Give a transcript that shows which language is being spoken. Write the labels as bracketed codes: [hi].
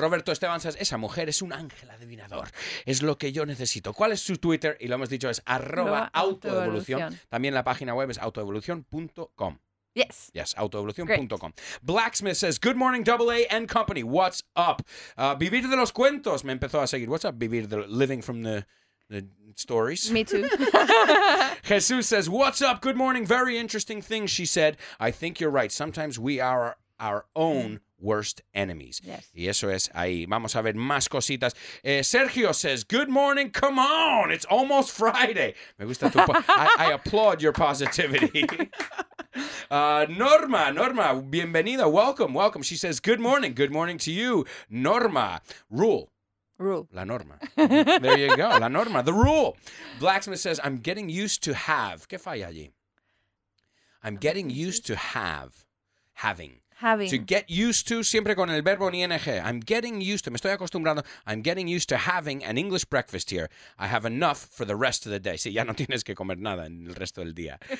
[es] Roberto Esteban says, esa mujer es un ángel adivinador. Es lo que yo necesito. ¿Cuál es su Twitter? Y lo hemos dicho, es @autoevolucion. También la página web es autoevolucion.com. [en] Yes. Yes, autoevolucion.com. Blacksmith says, good morning, AA and company. What's up? [es] Vivir de los cuentos me empezó a seguir. [en] What's up, [es] vivir de [en] living from the stories? Me too. Jesus says, what's up? Good morning. Very interesting thing, she said. I think you're right. Sometimes we are our own worst enemies. Yes. [es] Y eso es ahí. Vamos a ver más cositas. [en] Sergio says, good morning. Come on. It's almost Friday. [es] Me gusta tu [en] I applaud your positivity. Norma, [es] bienvenida. [en] Welcome. She says, good morning. Good morning to you, Norma. Rule. La norma. There you go. La norma. The rule. Blacksmith says, I'm getting used to have. [es] ¿Qué falla allí? [en] I'm getting used to have. Having. To get used to, [es] siempre con el verbo en ing. [en] I'm getting used to, [es] me estoy acostumbrando, [en] I'm getting used to having an English breakfast here. I have enough for the rest of the day. [es] Sí, ya no tienes que comer nada en el resto del día.